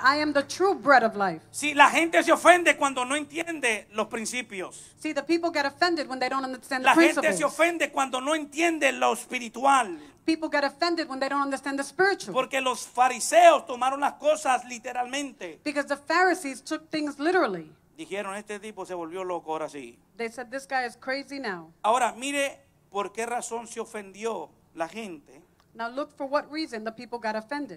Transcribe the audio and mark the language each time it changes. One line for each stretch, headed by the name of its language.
English: I am the true bread of life.
Spanish: Si la gente se ofende cuando no entiende los principios.
English: See, the people get offended when they don't understand the principles.
Spanish: La gente se ofende cuando no entiende lo espiritual.
English: People get offended when they don't understand the spiritual.
Spanish: Porque los fariseos tomaron las cosas literalmente.
English: Because the Pharisees took things literally.
Spanish: Dijeron, este tipo se volvió loco ahora sí.
English: They said, this guy is crazy now.
Spanish: Ahora, mire por qué razón se ofendió la gente.
English: Now look for what reason the people got offended.